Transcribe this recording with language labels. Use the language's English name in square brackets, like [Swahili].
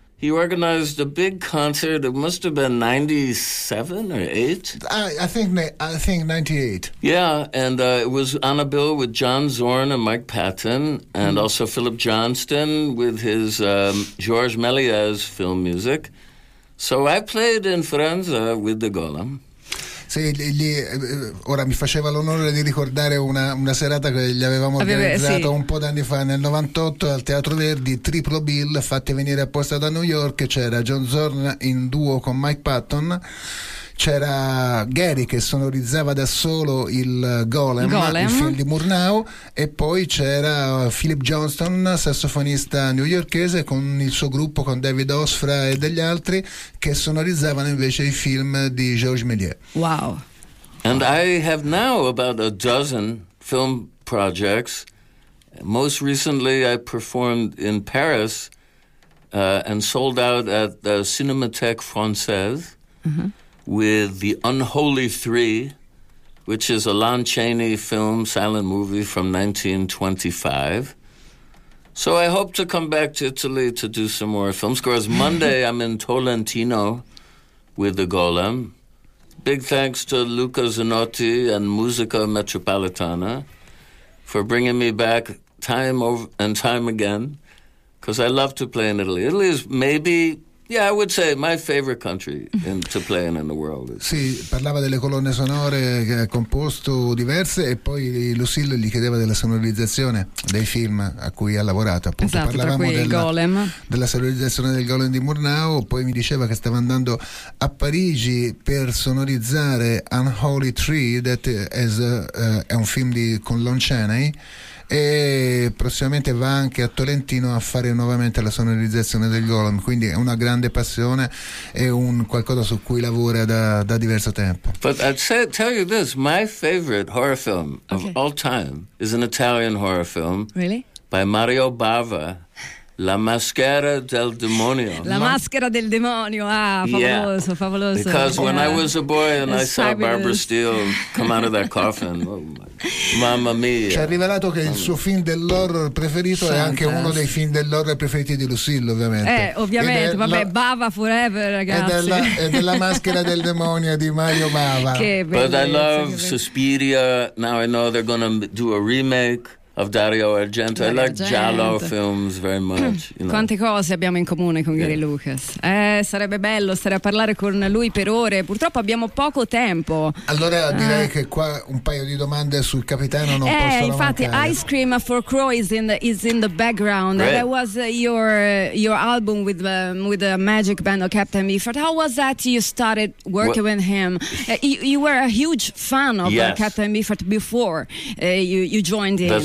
[English] He organized a big concert. It must have been 97 or 8. I think 98. Yeah, and it was on a bill with John Zorn and Mike Patton, and also Philip Johnston with his Georges Méliès film music. So I played in Firenze with the Golem. [Italian] Sì, ora mi faceva l'onore di ricordare una serata che gli avevamo organizzato un po' d'anni fa nel 98 al Teatro Verdi, triplo bill, fatti venire apposta da New York. C'era John Zorn in duo con Mike Patton, c'era Gary che sonorizzava da solo il Golem. Il film di Murnau, e poi c'era Philip Johnston, sassofonista newyorkese, con il suo gruppo, con David Osfra e degli altri, che sonorizzavano invece i film di Georges Méliès. Wow. [English] And I have now about a dozen film projects. Most recently I performed in Paris and sold out at the Cinémathèque Française. With The Unholy Three, which is a Lon Chaney film, silent movie from 1925. So I hope to come back to Italy to do some more film scores. Monday I'm in Tolentino with The Golem. Big thanks to Luca Zanotti and Musica Metropolitana for bringing me back time over and time again, because I love to play in Italy. Italy is maybe... Yeah, I would say my favorite country to play in the world. [Italian] Sì, parlava delle colonne sonore che ha composto diverse, e poi Lucille gli chiedeva della sonorizzazione dei film a cui ha lavorato. Appunto, esatto, parlavamo tra cui della, il Golem. Della sonorizzazione del Golem di Murnau. Poi mi diceva che stava andando a Parigi per sonorizzare Unholy Tree, [English] that is [Italian] è un film con Lon Chaney. E prossimamente va anche a Tolentino a fare nuovamente la sonorizzazione del Golem, quindi è una grande passione e un qualcosa su cui lavora da diverso tempo. [English] But I'd say, tell you this, my favorite horror film of all time is an Italian horror film. Really? By Mario Bava, La Maschera del Demonio. [Italian] La Maschera del Demonio, favoloso, favoloso. [English] Because when I was a boy and I saw Barbara Steele come out of that coffin, [Italian] oh mamma mia. Ci ha rivelato che il suo film dell'horror preferito è anche uno dei film dell'horror preferiti di Lucille, ovviamente. Ovviamente, vabbè, Bava forever, ragazzi. È della Maschera del Demonio di Mario Bava. Che bello. [English] But I love Suspiria, now I know they're gonna do a remake. Of Dario Argento. I like giallo films very much. You know. [Italian] Quante cose abbiamo in comune con Gary Lucas. Sarebbe bello stare a parlare con lui per ore. Purtroppo abbiamo poco tempo. Allora direi che qua un paio di domande sul Capitano non possono mancare. Infatti, [English] Ice Cream for Crow is in the background. Right. That was your album with the Magic Band of Captain Beefheart. How was that? You started working with him. You were a huge fan of Captain Beefheart before you joined him.